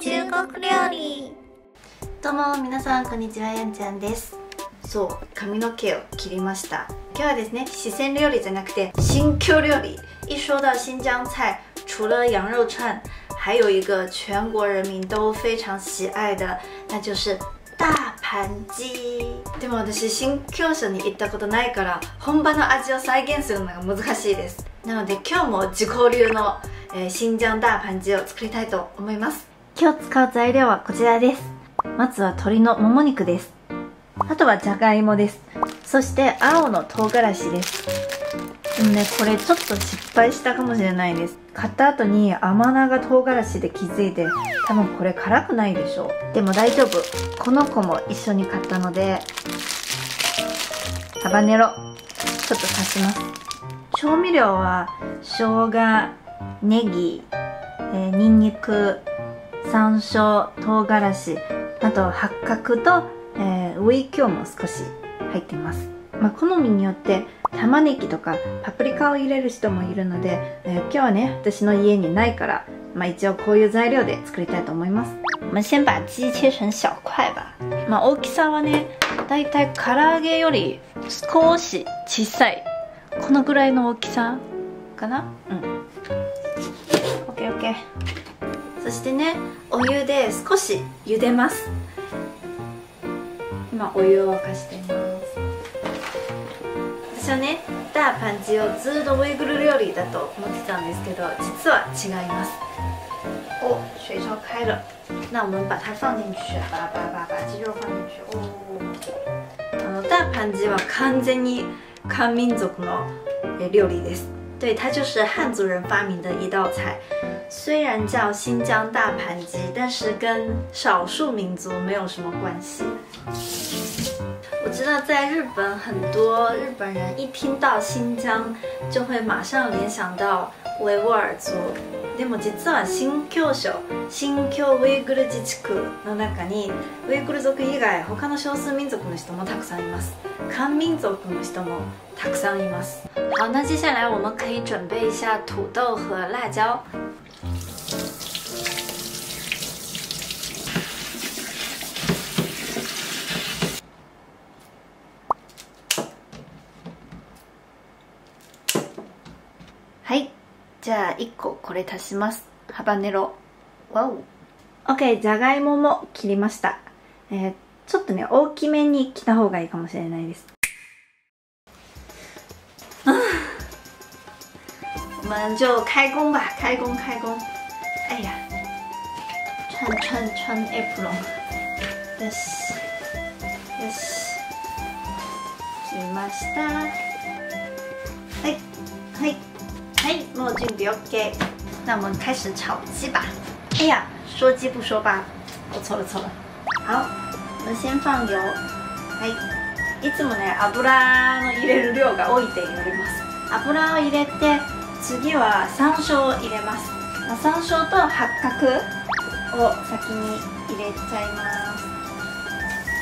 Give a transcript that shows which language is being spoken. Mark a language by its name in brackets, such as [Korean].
[Japanese] どうも皆さんこんにちは、やんちゃんです。そう、髪の毛を切りました。今日はですね、四川料理じゃなくて新疆料理。 [Chinese] 一说到新疆菜，除了羊肉串，还有一个全国人民都非常喜爱的，那就是大盘鸡。 [Japanese] でも私新疆省に行ったことないから、本場の味を再現するのが難しいです。なので今日も自己流の、新疆大盘鸡を作りたいと思います。今日使う材料はこちらです。まずは鶏のもも肉です。あとはじゃがいもです。そして青の唐辛子です。でもね、これちょっと失敗したかもしれないです。買った後に甘長唐辛子で気づいて、多分これ辛くないでしょう。でも大丈夫、この子も一緒に買ったので、ハバネロちょっと足します。調味料は生姜、ネギ、ニンニク、山椒、唐辛子、あと八角と、ウイキョウも少し入っています。まあ、好みによって玉ねぎとかパプリカを入れる人もいるので、今日はね、私の家にないから、まあ、一応こういう材料で作りたいと思います。 [Chinese] 我们先把鸡切成小块吧。 [Japanese] まあ大きさはね、だいたい唐揚げより少し小さい、このぐらいの大きさかな。うん、 OKOK。そしてね、お湯で少し茹でます。今お湯を沸かしています。私はね、ダーパンジをずっとウイグル料理だと思ってたんですけど、実は違います。お、 [Chinese] 水槽開了。那我们把它放进去。把把把把鸡肉放进去。 [Japanese] ダーパンジは完全に漢民族の料理です。 [Chinese] 对，它就是汉族人发明的一道菜。虽然叫新疆大盘鸡，但是跟少数民族没有什么关系。我知道在日本，很多日本人一听到新疆，就会马上联想到维吾尔族。 [Japanese] でも実は新疆省、新疆ウイグル自治区の中にウイグル族以外他の少数民族の人もたくさんいます。漢民族の人もたくさんいます。 [Chinese] 好，那接下来我们可以准备一下土豆和辣椒。 [Japanese] はい、じゃあ1個これ足します。ハバネロ。わお。 OK、 じゃがいもも切りました。ちょっとね、大きめに切った方がいいかもしれないです。 [Chinese] 我们就开工吧。开工开工。哎呀，穿穿穿 apron。 [Japanese] よしよし、切りました。はいはい、はい、もう準備 OK。 [Chinese] 那我们开始炒鸡吧。哎呀，说鸡不说吧，我错了错了。好，我们先放油。はい。 [Japanese] いつもね、油の入れる量が多いって言われます。油を入れて、次は山椒を入れます。まあ、山椒と八角を先に入れちゃいます。